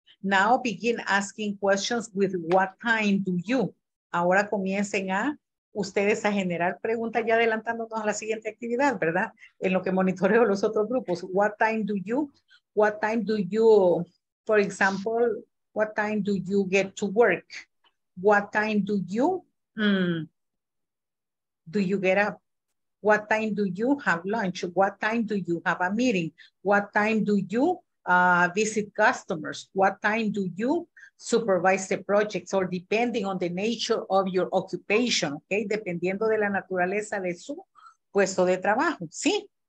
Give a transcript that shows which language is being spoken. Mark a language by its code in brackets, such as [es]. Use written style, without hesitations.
[en] Now begin asking questions with what time do you? [es] Ahora comiencen a ustedes a generar preguntas ya adelantándonos a la siguiente actividad, ¿verdad? En lo que monitoreo los otros grupos. [en] What time do you? What time do you, for example, what time do you get to work? What time do you? Do you get up? What time do you have lunch? What time do you have a meeting? What time do you visit customers? What time do you supervise the projects? Or depending on the nature of your occupation, okay? [es] Dependiendo de la naturaleza de su puesto de trabajo, ¿sí?